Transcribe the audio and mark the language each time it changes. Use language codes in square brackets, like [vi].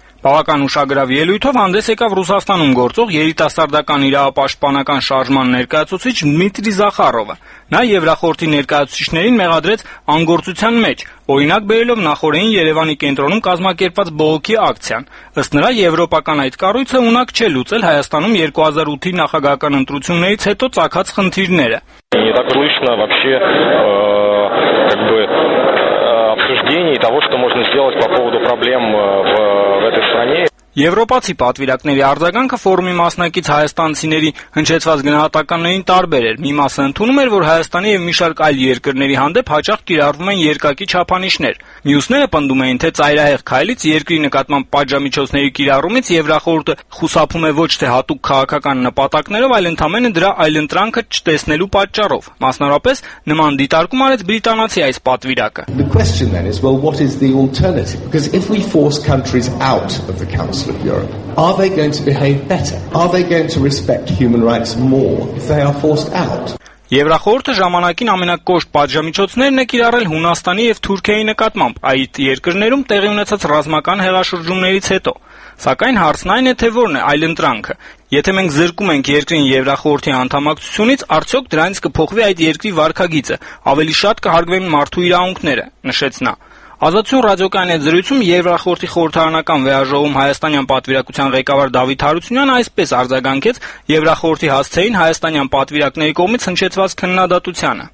[hy] Բավական ուշագրավ ելույթով հանդես եկավ Ռուսաստանում գործող երիտասարդական իրավապաշտպանական շարժման ներկայացուցիչ Դմիտրի Զախարովը։ Նա Եվրախորհրդի ներկայացուցիչներին մեղադրեց անգործության մեջ, օրինակ բերելով նախորդին Երևանի կենտրոնում կազմակերպված բողոքի ակցիան։ Ըստ նրա, եվրոպական այդ կառույցը ունակ չէ լուծել Հայաստանում 2008-ի նախագահական ընտրություններից հետո ծագած խնդիրները։ [ru] Того, что можно сделать по поводу проблем в этой стране. [hy] Եվրոպացի պատվիրակների արձագանքը ֆորումի մասնակից հայաստանցիների հնչեցված գնահատականներին տարբեր էր։ Մի մասը ընդունում էր, որ Հայաստանի եւ մի շարք այլ երկրների հանդեպ հաճախ կիրառվում են երկակի չափանիշներ։ Մյուսները պնդում էին, թե ծայրահեղ քայլից երկրի նկատմամբ պատժամիջոցների կիրառումից Եվրախորհուրդը խուսափում է ոչ թե հատուկ քաղաքական նպատակներով, այլ ընդամենը դրա այլընտրանքը չտեսնելու պատճառով։ Մասնարարապես նման դիտարկում արեց բրիտանացի այս պատվիրակը։ [en] The question then is, well, what is the alternative? Because if we force countries out of the Council of Europe, are they going to behave better? Are they going to respect human rights more if they are forced out? [hy] Եվրախորհուրդը ժամանակին ամենակոշտ պատժամիջոցներն է կիրառել Հունաստանի եւ Թուրքիայի նկատմամբ այդ երկրներում տեղի ունեցած ռազմական հեղաշրջումներից հետո։ Սակայն հարցն այն է, թե որն է այլընտրանքը։ Եթե մենք զրկում ենք երկրին Եվրախորհրդի անդամակցությունից, արդյոք դրանից կփոխվի այդ երկրի վարքագիծը, ավելի շատ կհարգվեն մարդու իրավունքները, նշեց նա։ Ազատություն ռադիոկայանի զրույցում Եվրախորհրդի խորհրդարանական վերաժողովում հայաստանյան պատվիրակության ղեկավար Դավիթ Հարությունյանը այսպես արձագանքեց Եվրախորհրդի հասցեին հայաստանյան պատվիրակների կողմից հնչեցված քննադատությանը։